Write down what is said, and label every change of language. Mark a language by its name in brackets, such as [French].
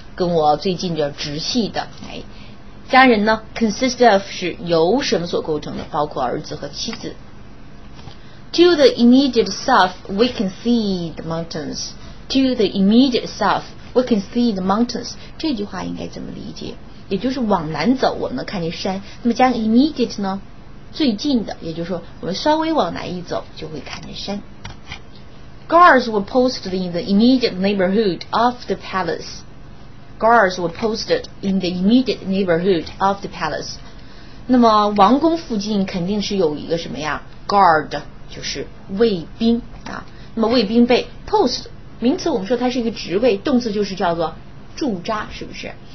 [Chinese] 跟我最近的直系的，哎，家人呢 ？ [English] Consist of [Chinese] 是由什么所构成的？包括儿子和妻子。 [English] To the immediate south, we can see the mountains. To the immediate south, we can see the mountains. [Chinese] 这句话应该怎么理解？也就是往南走，我们能看见山。那么加上 immediate 呢？最近的，也就是说我们稍微往南一走就会看见山。 [English] Guards were posted in the immediate neighborhood of the palace. Guards were posted in the immediate neighborhood of the palace. [Chinese] 那么王宫附近肯定是有一个什么呀 guard 就是卫兵啊。那么卫兵被 post 名词我们说它是一个职位，动词就是叫做驻扎，是不是？